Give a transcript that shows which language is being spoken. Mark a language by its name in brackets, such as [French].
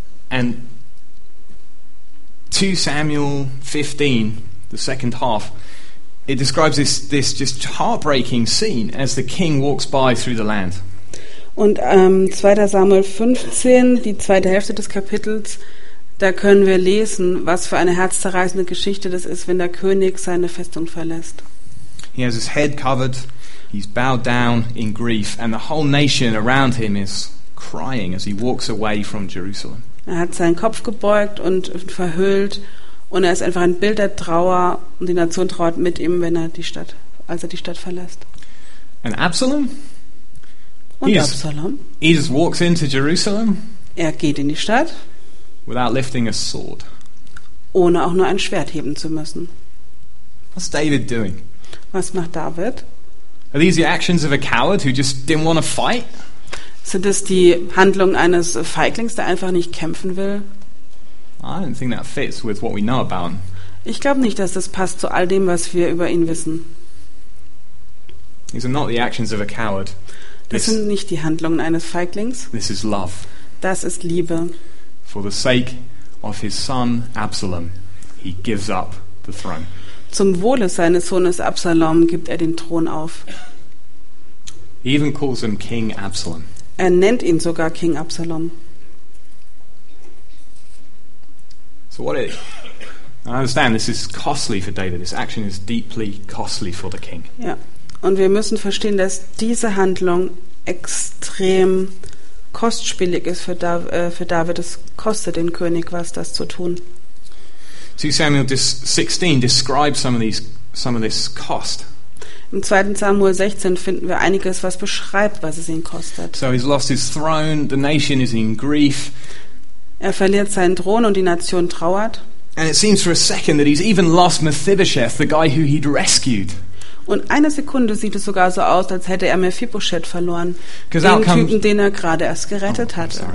[English] And 2 Samuel 15, the second half, it describes this just heartbreaking scene as the king walks by through the land. [German] Und 2. Samuel 15, die zweite Hälfte des Kapitels, da können wir lesen, was für eine herzzerreißende Geschichte das ist, wenn der König seine Festung verlässt. [English] He has his head covered, he's bowed down in grief, and the whole nation around him is crying as he walks away from Jerusalem. [German] Er hat seinen Kopf gebeugt und verhüllt und er ist einfach ein Bild der Trauer und die Nation trauert mit ihm, wenn er die Stadt, als er die Stadt verlässt. [English] And Absalom? [German] Und Absalom? [English] He just walks into Jerusalem. [German] Er geht in die Stadt. [English] Without lifting a sword. [German] Ohne auch nur ein Schwert heben zu müssen. [English] What's David doing? [German] Was macht David? [English] Are these the actions of a coward who just didn't want to fight? [German] Sind es die Handlungen eines Feiglings, der einfach nicht kämpfen will? [English] I don't think that fits with what we know about. [German] Ich glaube nicht, dass das passt zu all dem, was wir über ihn wissen. [English] These are not the actions of a coward. [German] Das sind nicht die Handlungen eines Feiglings. [English] This is love. [German] Das ist Liebe. [English] For the sake of his son Absalom, he gives up the throne. [German] Zum Wohle seines Sohnes Absalom gibt er den Thron auf. [English] He even calls him King Absalom. [German] Er nennt ihn sogar King Absalom. [English] So what is? I understand this is costly for David. This action is deeply costly for the king. [German] Ja. Und wir müssen verstehen, dass diese Handlung extrem kostspielig ist für David. Es kostet den König was, das zu tun. [English] 2 Samuel 16 describes some of this cost. [German] Im 2. Samuel 16 finden wir einiges, was beschreibt, was es ihn kostet. [English] So he's lost his throne, the nation is in grief. [German] Er verliert seinen Thron und die Nation trauert. [English] And it seems for a second that he's even lost Mephibosheth, the guy who he'd rescued. [German] Und eine Sekunde sieht es sogar so aus, als hätte er Mephibosheth verloren, den Typen, den er gerade erst gerettet hat.